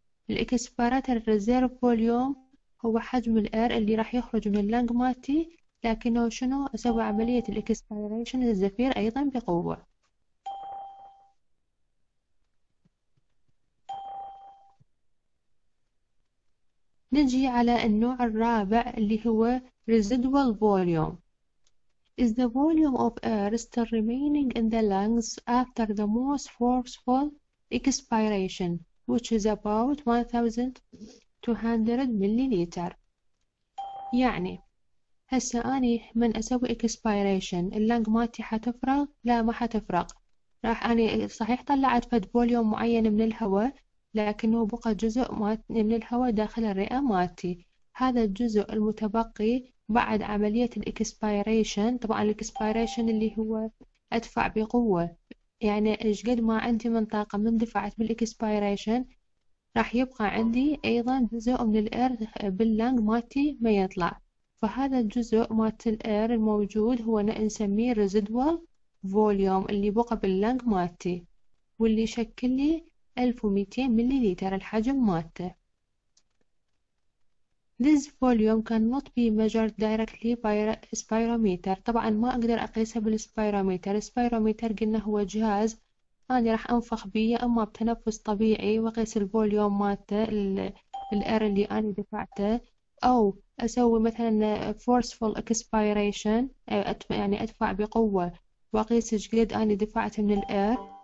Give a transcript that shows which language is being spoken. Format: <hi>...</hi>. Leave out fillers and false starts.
<ar>الاكسبيراتوري ريزيرف فوليوم هو حجم الاير اللي راح يخرج من اللنج مالتي لكنه شنو اسوي عملية الاكسبيريشن الزفير ايضا بقوة. نجي على النوع الرابع اللي هو residual volume.</ar> <en>Is the volume of air still remaining in the lungs after the most forceful expiration, which is about 1200 milliliter.</en> <ar>يعني هسه أني من أسوي expiration اللنج مالتي حتفرغ؟ لا ما حتفرغ، راح أني صحيح طلعت فد فوليوم معين من الهواء لكنه بقى جزء من الهواء داخل الرئة مالتي. هذا الجزء المتبقي بعد عملية الإكسبيريشن، طبعا الإكسبيريشن اللي هو أدفع بقوة، يعني إيش قد ما عندي من طاقة من دفعت بالإكسبيريشن راح يبقى عندي أيضا جزء من الإير باللنج مالتي ما يطلع، فهذا الجزء مالت الإير الموجود هو نسميه residual volume اللي بقى باللنج مالتي واللي يشكل لي 1200 مليليتر الحجم مالته.</ar> <en>This volume cannot be measured directly by spirometer.</en> <ar>طبعا ما اقدر اقيسها بالسبيرومتر. السبيرومتر قلنا هو جهاز انا راح انفخ بيه اما بتنفس طبيعي واقيس الفوليوم مالته الاير اللي انا دفعته، او اسوي مثلا forceful expiration يعني ادفع بقوه واقيس ايش قد انا دفعت من الاير.</ar>